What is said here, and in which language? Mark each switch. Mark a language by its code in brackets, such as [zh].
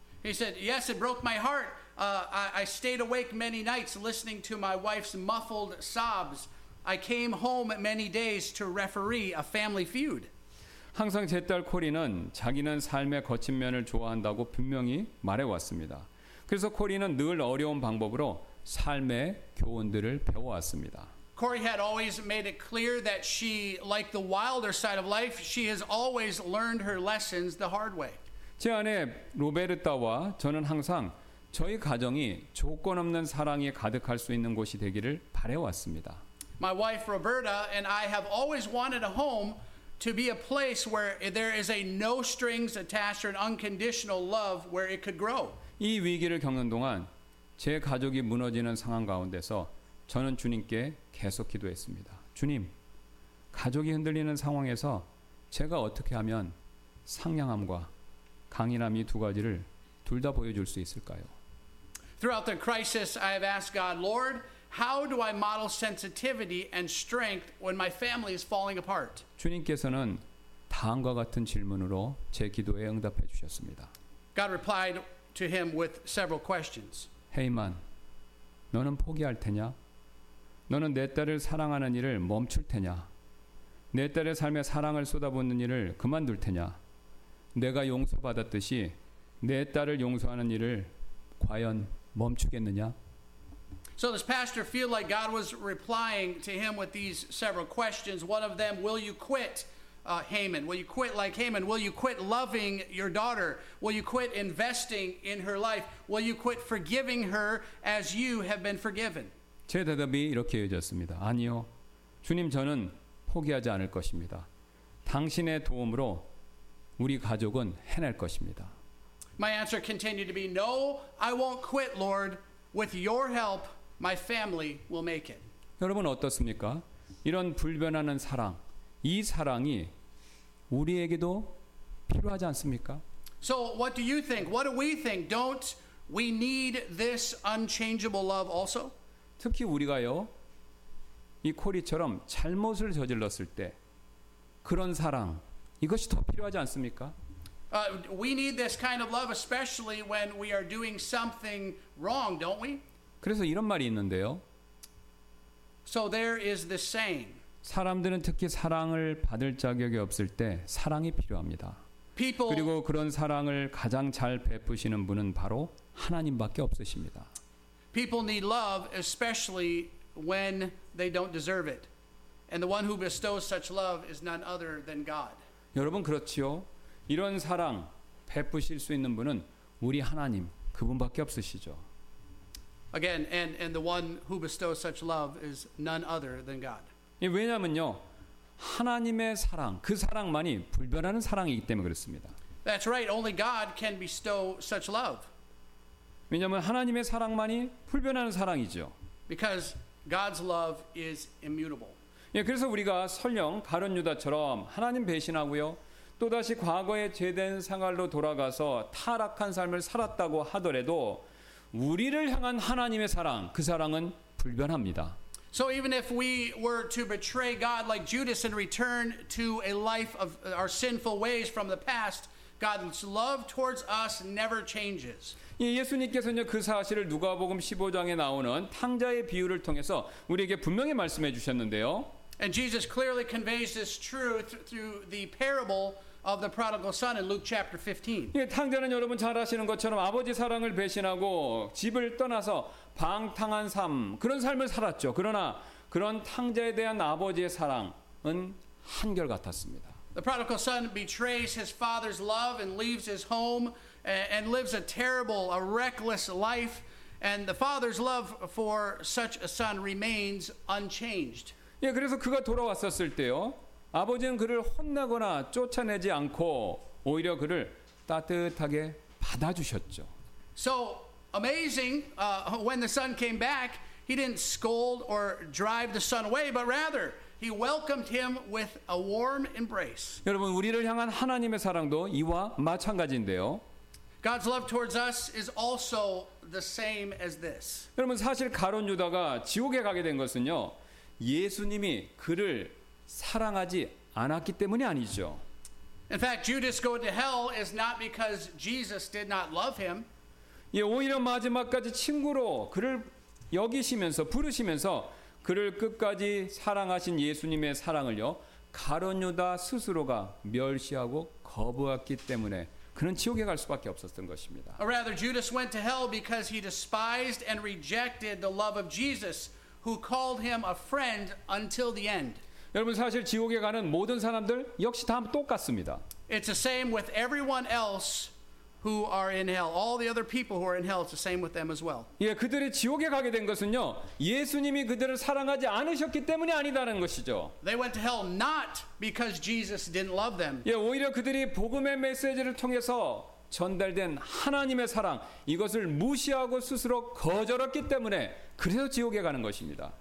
[en] He said, yes, it broke my heart. I stayed awake many nights listening to my wife's muffled sobs. I came home many days to referee a family feud. [ko] 항상 제 딸 코리는 자기는 삶의 거친 면을 좋아한다고 분명히 말해왔습니다. 그래서 코리는 늘 어려운 방법으로 삶의 교훈들을 배워왔습니다. [en] Corey had always made it clear that she liked the wilder side of life. She has always learned her lessons the hard way. [ko] 제 아내 로베르타와 저는 항상 저희 가정이 조건 없는 사랑이 가득할 수 있는 곳이 되기를 바래왔습니다. [en] My wife Roberta and I have always wanted a home to be a place where there is a no strings attached or an unconditional love where it could grow. [ko] 이 위기를 겪는 동안 제 가족이 무너지는 상황 가운데서 저는 주님께 계속 기도했습니다. 주님, 가족이 흔들리는 상황에서 제가 어떻게 하면 상냥함과 강인함이 두 가지를 둘 다 보여줄 수 있을까요? [en] Throughout the crisis, I have asked God, Lord, how do I model sensitivity and strength when my family is falling apart? [ko] 주님께서는 다음과 같은 질문으로 제 기도에 응답해 주셨습니다. [en] God replied to him with several questions. [ko] Haman, 너는 포기할 테냐? 너는 내 딸을 사랑하는 일을 멈출 테냐? 내 딸의 삶에 사랑을 쏟아붓는 일을 그만둘 테냐? 내가 용서받았듯이 내 딸을 용서하는 일을 과연 멈추겠느냐? [en] So this pastor feel like God was replying to him with these several questions. One of them, will you quit, Haman? Will you quit like Haman? Will you quit loving your daughter? Will you quit investing in her life? Will you quit forgiving her as you have been forgiven? [ko] 제 대답이 이렇게 이어졌습니다. 아니요. 주님, 저는 포기하지 않을 것입니다. 당신의 도움으로 우리 가족은 해낼 것입니다. [en] My answer continued to be, No, I won't quit, Lord. With your help, my family will make it. [ko] 여러분 어떻습니까? 이런 불변하는 사랑, 이 사랑이 우리에게도 필요하지 않습니까? [en] So what do you think? What do we think? Don't we need this unchangeable love also? [ko] 특히 우리가요, 이 코리처럼 잘못을 저질렀을 때 그런 사랑, 이것이 더 필요하지 않습니까? [en] We need this kind of love, especially when we are doing something wrong, don't we? [ko] 그래서 이런 말이 있는데요. [en] So there is the saying. [ko] 사람들은 특히 사랑을 받을 자격이 없을 때 사랑이 필요합니다. [en] people. [ko] 그리고 그런 사랑을 가장 잘 베푸시는 분은 바로 하나님밖에 없으십니다. [en] People need love, especially when they don't deserve it, and the one who bestows such love is none other than God. [ko] 여러분 그렇지요? 이런 사랑 베푸실 수 있는 분은 우리 하나님 그분밖에 없으시죠. [en] Again, and the one who bestows such love is none other than God. [ko] 왜냐면요, 하나님의 사랑, 그 사랑만이 불변하는 사랑이기 때문에 그렇습니다. [en] That's right. Only God can bestow such love. [ko] 왜냐면 하나님의 사랑만이 불변하는 사랑이죠. [en] Because God's love is immutable. [ko] 예, 그래서 우리가 설령 가룟 유다처럼 하나님 배신하고요, 또 다시 과거의 죄된 생활로 돌아가서 타락한 삶을 살았다고 하더라도 우리를 향한 하나님의 사랑, 그 사랑은 불변합니다. [en] So even if we were to betray God like Judas and return to a life of our sinful ways from the past, God's love towards us never changes. [ko] 예수님께서는 그 사실을 누가복음 15장에 나오는 탕자의 비유를 통해서 우리에게 분명히 말씀해 주셨는데요. [en] And Jesus clearly conveys this truth through the parable of the prodigal son in Luke chapter 15. [ko] 예, 탕자는 여러분 잘 아시는 것처럼 아버지 사랑을 배신하고 집을 떠나서 방탕한 삶, 그런 삶을 살았죠. 그러나 그런 탕자에 대한 아버지의 사랑은 한결같았습니다. [en] The prodigal son betrays his father's love and leaves his home and lives a terrible, a reckless life, and the father's love for such a son remains unchanged. [ko] 예, 그래서 그가 돌아왔었을 때요, 아버지는 그를 혼나거나 쫓아내지 않고 오히려 그를 따뜻하게 받아주셨죠. [en] So amazing, when the son came back, he didn't scold or drive the son away, but rather he welcomed him with a warm embrace. [ko] 여러분, 우리를 향한 하나님의 사랑도 이와 마찬가지인데요. [en] God's love towards us is also the same as this. [ko] 여러분, 사실 가룟 유다가 지옥에 가게 된 것은요, 예수님이 그를 사랑하지 않았기 때문이 아니죠. [en] In fact, Judas going to hell is not because Jesus did not love him. [ko] 예, 오히려 마지막까지 친구로 그를 여기시면서 부르시면서 그를 끝까지 사랑하신 예수님의 사랑을요, 가룟 유다 스스로가 멸시하고 거부했기 때문에 그는 지옥에 갈 수밖에 없었던 것입니다. [en] Or rather, Judas went to hell because he despised and rejected the love of Jesus, who called him a friend until the end. [ko] 여러분, 사실 지옥에 가는 모든 사람들 역시 다 똑같습니다. [en] It's the same with everyone else who are in hell. All the other people who are in hell, it's the same with them as well. [ko] 예, 그들이 지옥에 가게 된 것은요, 예수님이 그들을 사랑하지 않으셨기 때문이 아니라는 것이죠. [en] They went to hell not because Jesus didn't love them. [ko] 예, 오히려 그들이 복음의 메시지를 통해서 전달된 하나님의 사랑, 이것을 무시하고 스스로 거절했기 때문에 그래서 지옥에 가는 것입니다.